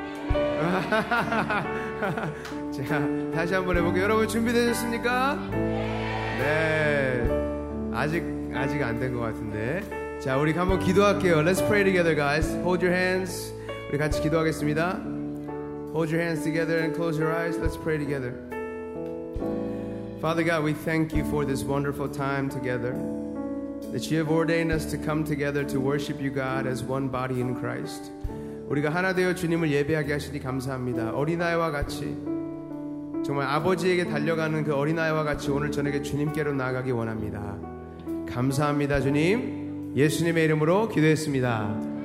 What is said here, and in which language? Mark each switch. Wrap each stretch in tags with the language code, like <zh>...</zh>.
<ko>자, 다시 한번 해볼게요. 여러분 준비되셨습니까? 네. 아직 안 된 것 같은데. 자, 우리 한번 기도할게요.</ko> <en>Let's pray together, guys. Hold your hands.</en> <ko>우리 같이 기도하겠습니다.</ko> <en>Hold your hands together and close your eyes. Let's pray together. Father God, we thank you for this wonderful time together that you have ordained us to come together to worship you, God, as one body in Christ.</en> <ko>우리가 하나 되어 주님을 예배하게 하시니 감사합니다. 어린아이와 같이 정말 아버지에게 달려가는 그 어린아이와 같이 오늘 저녁에 주님께로 나아가기 원합니다. 감사합니다, 주님. 예수님의 이름으로 기도했습니다.</ko>